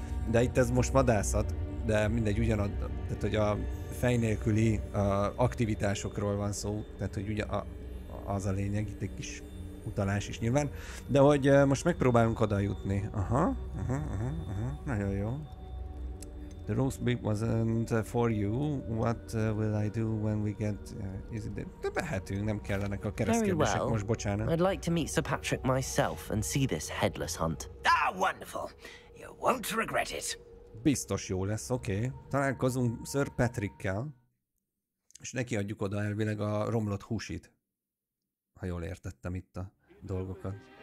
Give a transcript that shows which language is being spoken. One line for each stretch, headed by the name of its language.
Hungarian: De itt ez most vadászat, de mindegy, ugyanaz, tehát hogy a fej nélküli aktivitásokról van szó, tehát hogy ugye az a lényeg, itt egy kis utalás is nyilván, de hogy most megpróbálunk oda jutni. Nagyon jó.
English: The roast beef wasn't for you, what will I do when we get...
Hungarian: De behetünk, nem kellenek a keresztkérdések,
English: well.
Hungarian: Most bocsánat.
English: I'd like to meet Sir Patrick myself and see this headless hunt. Ah, wonderful! Won't regret it.
Hungarian: Biztos jó lesz, oké. Találkozunk Sir Patrickkel, és neki adjuk oda elvileg a romlott húsit. Ha jól értettem itt a dolgokat.